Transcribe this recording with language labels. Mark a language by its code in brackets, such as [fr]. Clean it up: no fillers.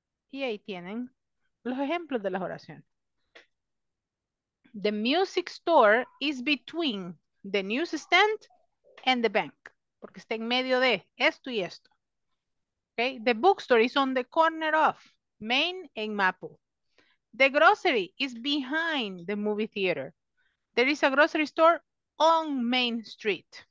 [es] Y ahí tienen los ejemplos de las oraciones. [en] The music store is between the newsstand and the bank. [es] Porque está en medio de esto y esto. [en] Okay? The bookstore is on the corner of Main and Maple. The grocery is behind the movie theater. There is a grocery store on Main Street.